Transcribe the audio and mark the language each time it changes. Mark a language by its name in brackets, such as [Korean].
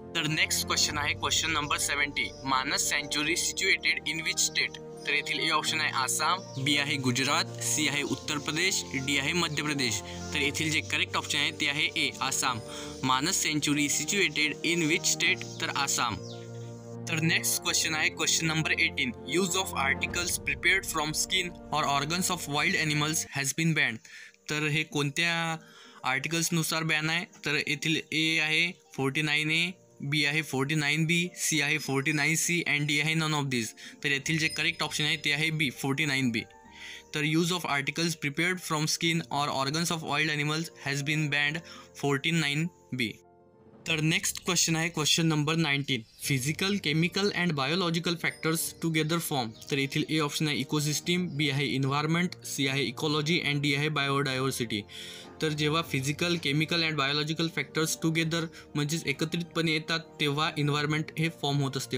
[Marathi] तर next question आहे question number 70. [English] Manas सँच्युरी situated in which state. [Marathi] तर येथील ए ऑप्शन आहे आसाम, बी आहे गुजरात, सी आहे उत्तर प्रदेश, डी आहे मध्य प्रदेश. तर येथील जे करेक्ट ऑप्शन आहे ते आहे ए आसाम. [English] Manas सँच्युरी situated in which state, [Marathi] तर आसाम. तर नेक्स्ट क्वेश्चन आहे question number 18. [English] Use of articles prepared from skin और organs of wild animals has been banned. [Marathi] तर हे कोणत्या आर्टिकल्सनुसार बॅन आहे? तर येथील ए आहे 49A, बी आहे 49B, सी आहे 49C अँड डी आहे [English] None of this. [Marathi] तर येथील जे करेक्ट ऑप्शन आहे ते आहे बी 49B. [English] तर use of articles prepared from skin और organs of wild animals has been banned 49B. [Marathi] तर नेक्स्ट क्वेश्चन आहे question number 19. [English] Physical, chemical and biological factors together form. [Marathi] तर येथील ए ऑप्शन आहे इकोसिस्टीम, बी आहे इन्व्हायरमेंट, सी आहे ecology and D आहे biodiversity. तर जेव्हा physical, chemical and biological factors together म्हणजेच एकत्रितपणे येतात तेव्हा इन्व्हायरमेंट हे फॉर्म होत असते.